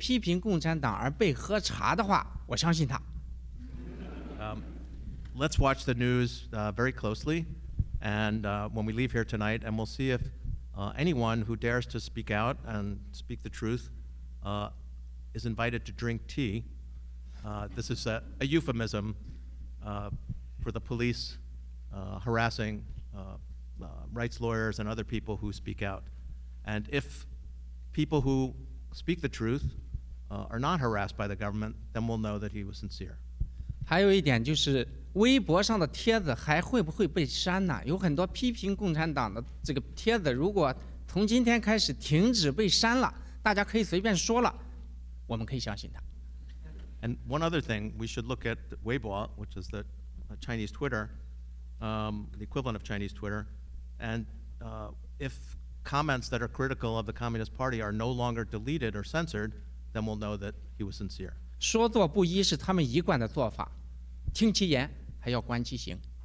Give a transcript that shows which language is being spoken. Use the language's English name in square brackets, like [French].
[Chinese] 今天晚上开始，我们回去不断的看新闻。如果从现在起没有人因为讲真话、因为批评共产党而被喝茶的话，我相信他。 [English] Let's watch the news very closely, and when we leave here tonight, and we'll see if anyone who dares to speak out and speak the truth is invited to drink tea. This is a euphemism for the police harassing rights lawyers and other people who speak out. And if people who speak the truth are not harassed by the government, then we'll know that he was sincere. [Chinese] 还有一点就是微博上的帖子还会不会被删呢？有很多批评共产党的这个帖子，如果从今天开始停止被删了，大家可以随便说了，我们可以相信他。 [English] And one other thing, we should look at Weibo, which is the Chinese Twitter, the equivalent of Chinese Twitter, and if comments that are critical of the Communist Party are no longer deleted or censored, then we'll know that he was sincere. [Chinese] 说做不一是他们一贯的做法, 听其言, 还要观其行。